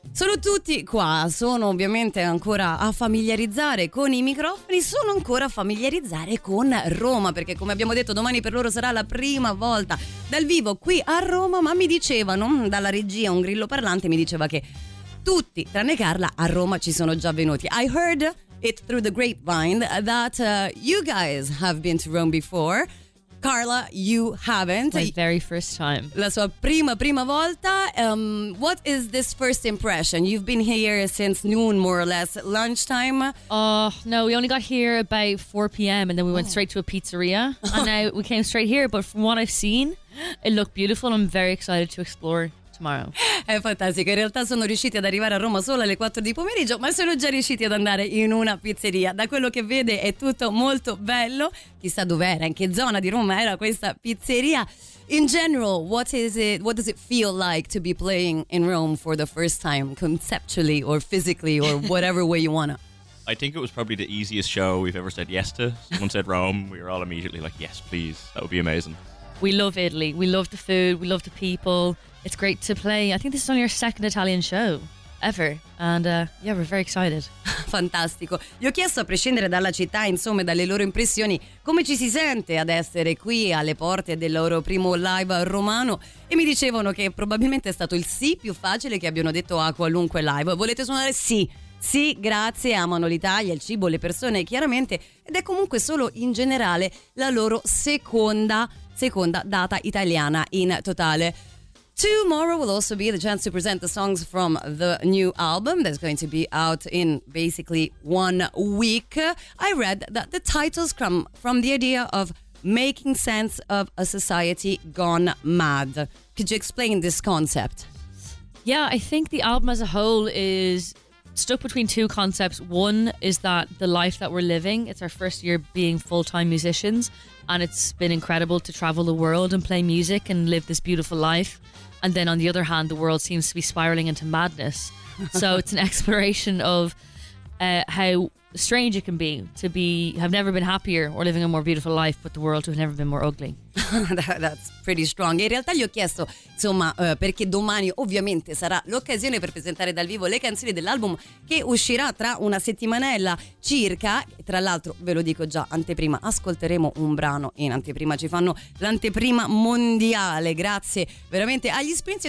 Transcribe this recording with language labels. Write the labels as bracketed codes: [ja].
[it] Sono tutti qua, sono ovviamente ancora a familiarizzare con i microfoni, sono ancora a familiarizzare con Roma, perché come abbiamo detto domani per loro sarà la prima volta dal vivo qui a Roma, ma mi dicevano, dalla regia un grillo parlante mi diceva che tutti, tranne Carla, a Roma ci sono già venuti. [en] I heard it through the grapevine that you guys have been to Rome before. Carla, you haven't. My very first time. [it] La sua prima volta. [en] What is this first impression? You've been here since noon, more or less, lunchtime. No, we only got here about 4 p.m. and then we went straight to a pizzeria. And now we came straight here, but from what I've seen, it looked beautiful. I'm very excited to explore tomorrow. [it] È fantastico. In realtà sono riusciti ad arrivare a Roma solo alle 4 di pomeriggio, ma sono già riusciti ad andare in una pizzeria. Da quello che vede è tutto molto bello. Chissà dov'era, in che zona di Roma era questa pizzeria. [en] In general, what does it feel like to be playing in Rome for the first time, conceptually or physically or whatever way you wanna? I think it was probably the easiest show we've ever said yes to. Someone said Rome, we were all immediately like, yes, please. That would be amazing. We love Italy. We love the food. We love the people. It's great to play. I think this is only your second Italian show ever. And yeah, we're very excited. [it] Fantastico. Gli ho chiesto, a prescindere dalla città, insomma, dalle loro impressioni, come ci si sente ad essere qui alle porte del loro primo live romano. E mi dicevano che probabilmente è stato il sì più facile che abbiano detto a qualunque live. Volete suonare? Sì. Sì, grazie, amano l'Italia, il cibo, le persone, chiaramente. Ed è comunque solo in generale la loro seconda data italiana in totale. [en] Tomorrow will also be the chance to present the songs from the new album that's going to be out in basically 1 week. I read that the titles come from the idea of making sense of a society gone mad. Could you explain this concept? Yeah, I think the album as a whole is stuck between two concepts. One is that the life that we're living, it's our first year being full-time musicians, and it's been incredible to travel the world and play music and live this beautiful life. And then on the other hand, the world seems to be spiraling into madness. So it's an exploration of how strange it can be to be, have never been happier or living a more beautiful life, but the world to have never been more ugly. That's pretty strong. [it] In realtà gli ho chiesto, insomma, perché domani ovviamente sarà l'occasione per presentare dal vivo le canzoni dell'album che uscirà tra una settimanella circa. Tra l'altro, ve lo dico già, anteprima, ascolteremo un brano in anteprima. Ci fanno l'anteprima mondiale, grazie veramente agli Sprint.